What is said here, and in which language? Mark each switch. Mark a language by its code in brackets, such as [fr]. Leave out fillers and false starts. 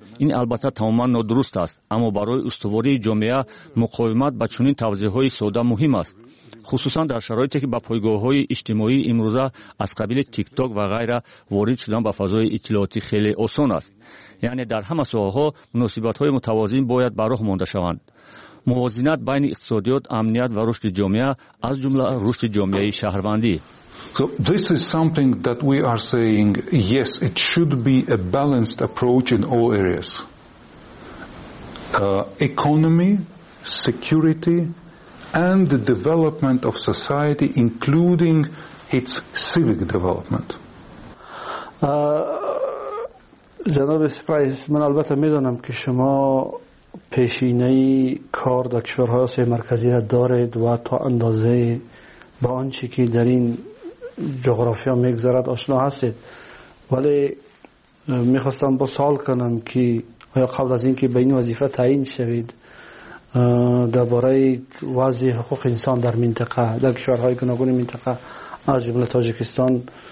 [fa] این البته تماما نادرست است، اما برای استواری جامعه مقاومت به چنین توضیح های ساده مهم است، خصوصا در شرایطی که با پایگاه های اجتماعی امروزه از قبیل تیک تاک و غیره وارد شدن به فضای اطلاعاتی خیلی آسان است. یعنی در همه ساحه‌ها مناسبت های متوازن باید به راه مانده شوند. موازنت بین اقتصادیات، امنیت و رشد جامعه از جمله رشد جامعه شهروندی. [en] So this is something that we are saying, yes, it should be a balanced approach in all areas. Economy, security and the development of society, including its civic development. [fa] جناب سپرایز، من البته میدانم که شما پیشینه کار در کشورهای آسیای مرکزی را دارید و تا اندازه با آنچه که در این جغرافیا میگذرد آشنا هستید، ولی میخواستم با سوال کنم که آیا قبل از اینکه به این وظیفه تعیین شوید درباره وضع حقوق انسان در منطقه، در کشورهای گوناگون منطقه از جمله تاجیکستان